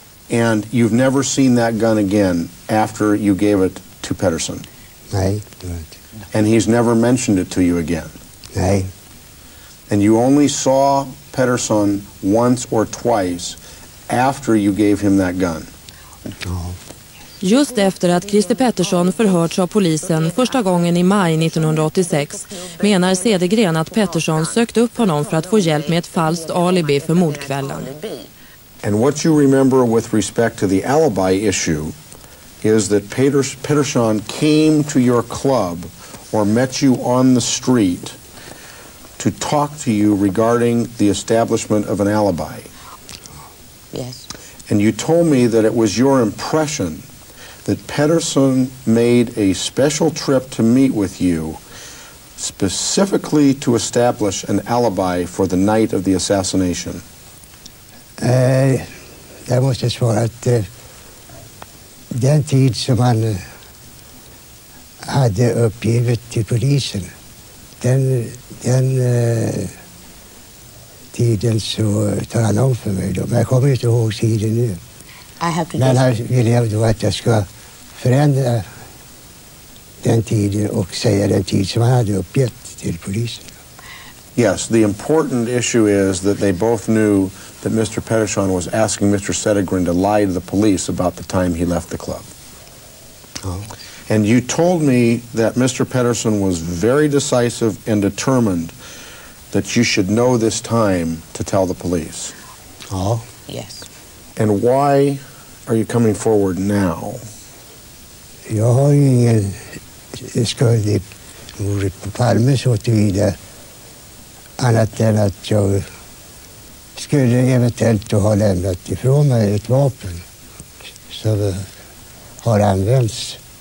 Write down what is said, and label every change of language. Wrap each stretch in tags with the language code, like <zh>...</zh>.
<en>And you've never seen that gun again after you gave it to Pettersson?</en> <sv>Nej.</sv> <en>And he's never mentioned it to you again?</en> <sv>Nej.</sv> <en>And you only saw Pettersson once or twice after you gave him that gun?</en> <sv>Ja. Just efter att Christer Pettersson förhörts av polisen första gången i maj 1986 menar Cedergren att Pettersson sökt upp honom för att få hjälp med ett falskt alibi för mordkvällen.</sv> <en>And what you remember with respect to the alibi issue is that Pettersson came to your club or met you on the street to talk to you regarding the establishment of an alibi. Yes. And you told me that it was your impression that Pettersson made a special trip to meet with you specifically to establish an alibi for the night of the assassination.</en> <sv>Jag måste svara att den tid som han hade uppgivit till polisen, den tiden så tar han om för mig då. Men jag kommer inte ihåg tiden nu. Men han ville då att jag ska förändra den tiden och säga den tid som han hade uppgivit till polisen.</sv> <en>Yes, the important issue is that they both knew that Mr. Pettersson was asking Mr. Cedergren to lie to the police about the time he left the club. Oh. And you told me that Mr. Pettersson was very decisive and determined that you should know this time to tell the police. Oh, yes. And why are you coming forward now?</en> <sv>Jag har ingen skuld i mordet på Palme så tillvida annat än att jag skulle eventuellt ha lämnat ifrån mig ett vapen som har använts.</sv>